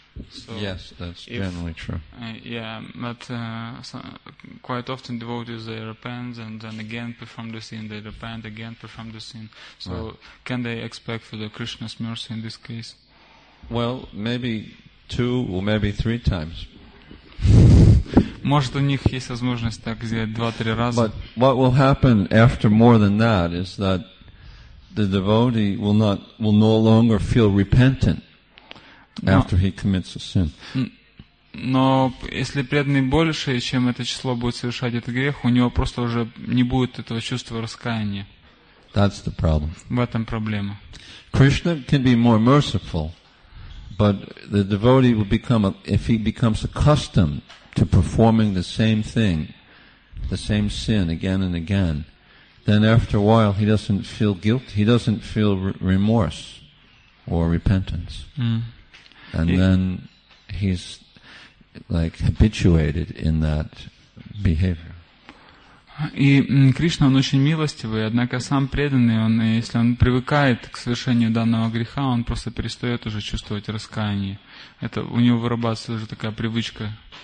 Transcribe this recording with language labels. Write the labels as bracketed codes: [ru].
[en] So yes, that's generally true. But quite often devotees, they repent and then again perform the sin. They repent, again perform the sin. So right. Can they expect for the Krishna's mercy in this case? Well, maybe two or maybe three times. [ru] Может, у них есть возможность так сделать 2-3 раза. [en] But what will happen after more than that is that the devotee will no longer feel repentant after he commits a sin. [ru] Но если преданный больше, чем это число, будет совершать этот грех, у него просто уже не будет этого чувства раскаяния. [en] That's the problem. [ru] В этом проблема. [en] Krishna can be more merciful, but the devotee will become, if he becomes accustomed to performing the same thing, the same sin again and again, then after a while he doesn't feel guilt, he doesn't feel remorse or repentance. And then he's like habituated in that behavior. [ru] И Кришна, он очень милостивый, однако сам преданный, он, если он привыкает к совершению данного греха, он просто перестает уже чувствовать раскаяние. Это у него вырабатывается уже такая привычка.